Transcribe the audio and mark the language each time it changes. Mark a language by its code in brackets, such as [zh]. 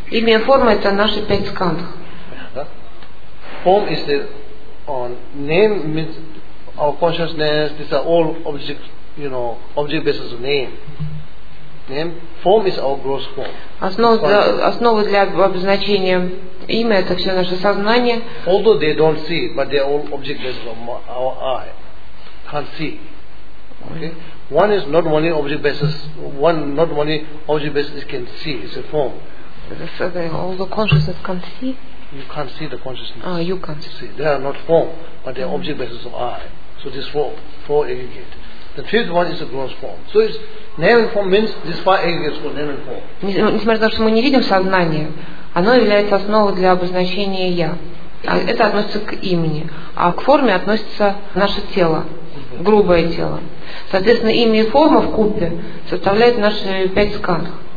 [ru] Имя и форма — это наши пять скандх. [en] Form is the name means our consciousness. These are all object, object basis of name. Name. Form is our gross form. [ru] Основа для обозначения имя — это все наше сознание. [en] Although they don't see, but they are all object basis of our eye. Can't see. Okay. One is not only object basis. One not only object basis can see. It's a form. So all the consciousness can see. You can't see the consciousness. Ah, you can't see. They are not form, but they are object basis of I. So this four aggregate. The fifth one is a gross form. So it's name and form means this five aggregates called name and form. [ru] Несмотря на то, что мы не видим сознание, оно является основой для обозначения я. Это относится к имени, а к форме относится наше тело, грубое тело. Соответственно, имя и форма в купе составляют наши пять скандх.